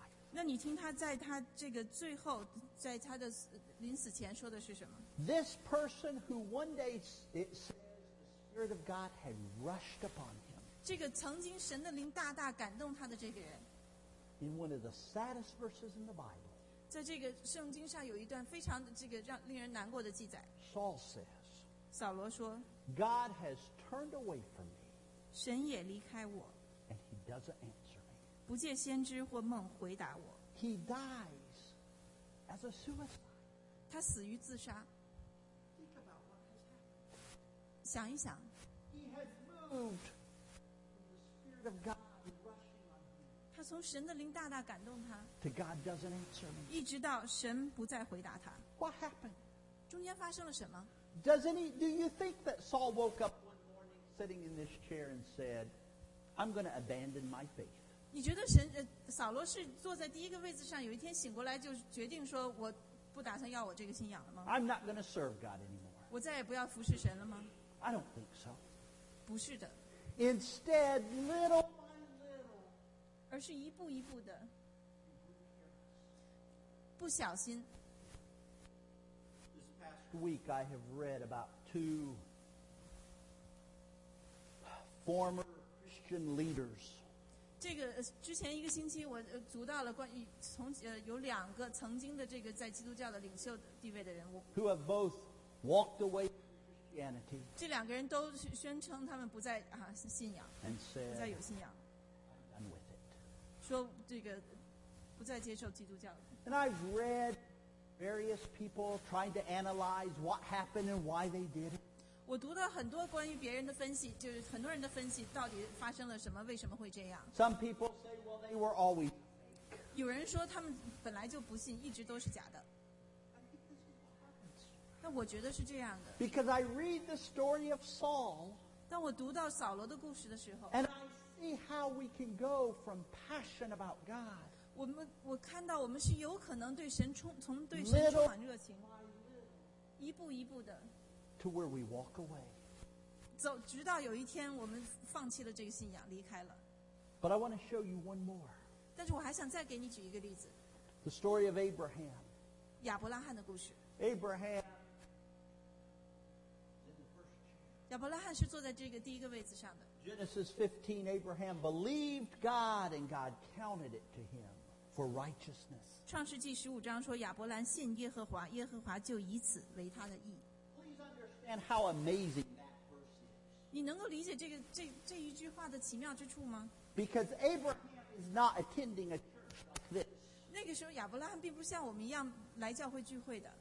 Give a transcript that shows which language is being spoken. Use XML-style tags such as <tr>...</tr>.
<zh>那你听他在他这个最后，在他的临死前说的是什么</zh> <en>？This person who one day it says the Spirit of God had rushed upon him.</en> <zh>这个曾经神的灵大大感动他的这个人。</zh> <en>In one of the saddest verses in the Bible.</en> <zh>在这个圣经上有一段非常这个令人难过的记载。</zh> <en>Saul says.</en> <zh>扫罗说。</zh> <en>God has turned away from me.</en> <zh>神也离开我。</zh> <en>And he doesn't answer.</en> <zh>不借先知或梦回答我。</zh> <en>He dies as a suicide.</en> <zh>他死于自杀。</zh> <en>Think about what has happened.</en> <zh>想一想。</zh> <en>He has moved the Spirit of God rushing on him.</en> <zh>他从神的灵大大感动他。</zh> <en>To God doesn't answer me.</en> <zh>一直到神不再回答他。</zh> <en>What happened?</en> <zh>中间发生了什么？</zh> <en>Do you think that Saul woke up one morning sitting in this chair and said, I'm going to abandon my faith?</en> <zh>你觉得神扫罗是坐在第一个位置上，有一天醒过来就决定说我不打算要我这个信仰了吗</zh> <en>？I'm not going to serve God anymore.</en> <zh>我再也不要服侍神了吗</zh> <en>？I don't think so.</en> <zh>不是的。</zh> <en>Instead, little by little,</en> <zh>而是一步一步的，不小心。</zh> <en>This past week, I have read about two former Christian leaders.</en> <zh>这个之前一个星期我读到了关于从有两个曾经的这个在基督教的领袖地位的人物</zh> <en>who have both walked away from Christianity</en> <zh>这两个人都宣称他们不再信仰</zh> <en>and said,</en> <zh>不再有信仰</zh> <en>I'm done with it.</en> <zh>说这个不再接受基督教</zh> <en>and I've read various people trying to analyze what happened and why they did it</en> <zh>我读了很多关于别人的分析，就是很多人的分析，到底发生了什么，为什么会这样</zh> <en>？Some people say, well, they were always.</en> <zh>有人说他们本来就不信，一直都是假的。那我觉得是这样的。</zh> <en>Because I read the story of Saul.</en> <zh>当我读到扫罗的故事的时候</zh> <en>，and I see how we can go from passion about God.</en> <zh>我看到我们是有可能对神充满热情，</zh> <en>little,</en> <zh>一步一步的。</zh> <en>To where we walk away.</en> <zh>走，直到有一天我们放弃了这个信仰，离开了。</zh> <en>But I want to show you one more.</en> <zh>但是我还想再给你举一个例子。</zh> <en>The story of Abraham.</en> <zh>亚伯拉罕的故事。</zh> <en>Abraham.</en> <zh>亚伯拉罕是坐在这个第一个位置上的。</zh> <en>Genesis 15, Abraham believed God and God counted it to him for righteousness.</en> <zh>创世纪十五章说亚伯兰信耶和华，耶和华就以此为他的义。</zh> <en>Please understand how amazing that verse is.</en> <zh>你能够理解这个这一句话的奇妙之处吗？</zh> <en>Because Abraham is not attending a church like this.</en> <zh>那个时候亚伯拉罕并不像我们一样来教会聚会的。</zh>